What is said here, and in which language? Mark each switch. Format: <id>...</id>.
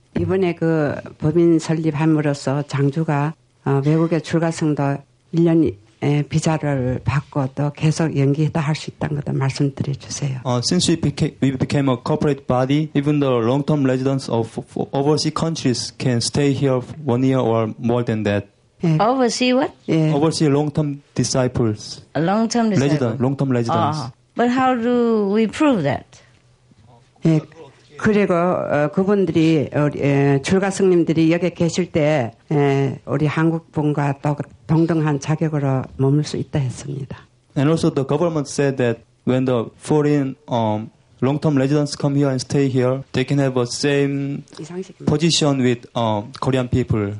<ko>이번에 그 법인 설립함으로써 장주가 외국에 출가성도 1년 비자를 받고 또 계속 연기했다 할 수 있다는 것도 말씀드려 주세요.</ko> <en>Since we became a corporate body, even the long-term residents of overseas countries can stay here for 1 year or more than that. Yeah. Overseas what? Yeah. Overseas long-term disciples. A long-term disciple. Resident, long-term residents. But how do we prove that?</en> <ko>예, 그리고 그분들이 우리 출가성님들이 여기 계실 때 우리 한국 분과 또 동등한 자격으로 머물 수 있다 했습니다.</ko> <en>And also the government said that when the foreign long-term residents come here and stay here, they can have the same position with Korean people.</en>